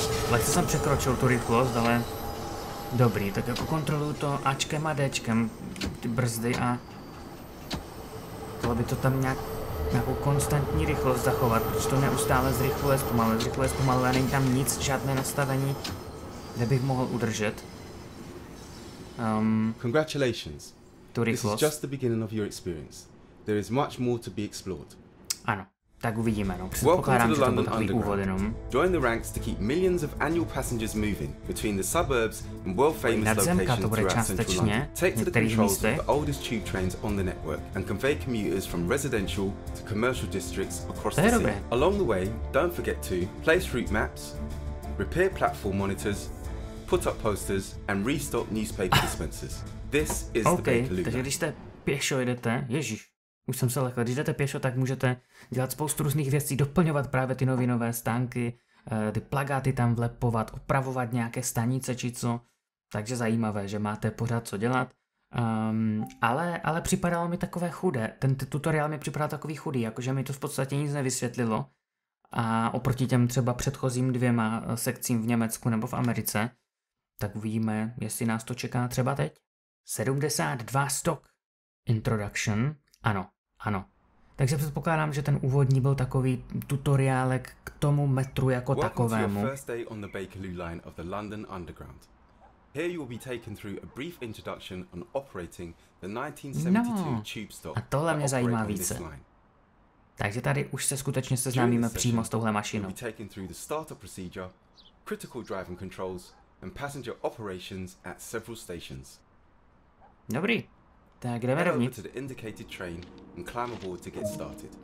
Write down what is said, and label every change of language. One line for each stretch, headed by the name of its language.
Czech: Lehce jsem překročil tu rychlost, ale dobrý, tak jako kontroluju to Ačkem a Dčkem, ty brzdy a chtělo by to tam nějak, nějakou konstantní rychlost zachovat, protože to neustále zrychluje, zpomaluje a není tam nic, žádné nastavení, kde bych mohl udržet.
English: Congratulations.
Czech: Tu rychlost.
English: This is just the beginning of your experience. There is much more to be explored.
Czech: Ano. Tak uvidíme, no. Předpokládám, že to byl takový úvod jenom.
English: Join the ranks to keep millions of annual passengers moving between the suburbs and world-famous locations throughout central London. Take to the controls of the oldest tube trains on the network and convey commuters from residential to commercial districts across the city. Along the way, don't forget to place route maps, repair platform monitors, put up posters and restock newspaper dispensers. This is the Baker Loop.
Czech: Takže když jste pěšo jedete, ježiš. Už jsem se lekl. Když jdete pěšo, tak můžete dělat spoustu různých věcí, doplňovat právě ty novinové stánky, ty plakáty tam vlepovat, opravovat nějaké stanice či co. Takže zajímavé, že máte pořád co dělat. Ale připadalo mi takové chudé. Ten tutoriál mi připadal takový chudý, jakože mi to v podstatě nic nevysvětlilo. A oproti těm třeba předchozím dvěma sekcím v Německu nebo v Americe, tak uvidíme, jestli nás to čeká třeba teď.
English: 72 stock introduction.
Czech: Ano, ano. Takže předpokládám, že ten úvodní byl takový tutoriálek k tomu metru jako takovému.
English: Welcome to your first day on the Bakerloo line of the London Underground. Here you will be taken through a brief introduction on operating the 1972
Czech: no.
English: tube stop.
Czech: A tohle mě zajímá více. Takže tady už se skutečně seznámíme přímo s touhle mašinou.
English: You will be taken through the startup procedure, critical driving controls and passenger operations at several stations.
Czech: Dobrý. Tak jdeme rovnit.
English: To the indicated train and climb aboard to get started.